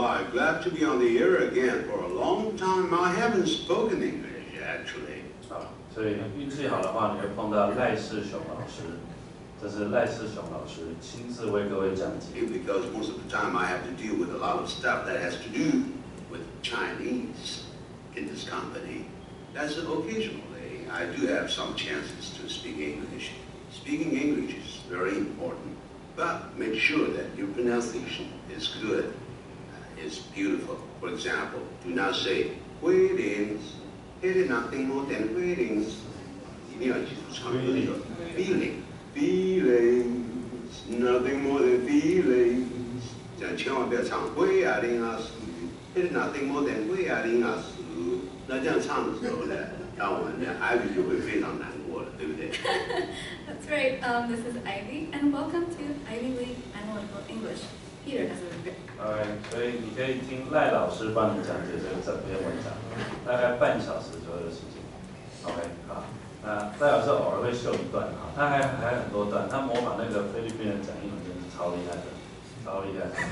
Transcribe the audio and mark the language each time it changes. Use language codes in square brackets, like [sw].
[en] Glad to be on the air again for a long time. I haven't spoken English actually. [zh] 所以运气好的话，你会碰到赖世雄老师。这是赖世雄老师亲自为各位讲解。 [en] Because most of the time I have to deal with a lot of stuff that has to do with Chinese in this company. That's occasionally I do have some chances to speak English. Speaking English is very important, but make sure that your pronunciation is good. Is beautiful. For example, do not say "weddings." It is nothing more than weddings. You need to just really feeling. Feelings, nothing more than feelings. [zh] 这样千万不要唱 "weddings." [en] It is nothing more than "weddings." [zh] 那这样唱的时候呢，让我们的 Ivy 就会非常难过了，对不对？ [en] That's right. This is Ivy, and welcome to Ivy League Analytical English. Peter. [zh] Okay, 所以你可以听赖老师帮你讲解这个整篇文章，大概半小时左右的时间。 OK， 好，那赖老师偶尔会秀一段啊，他还很多段，他模仿那个菲律宾人讲英文真是超厉害的。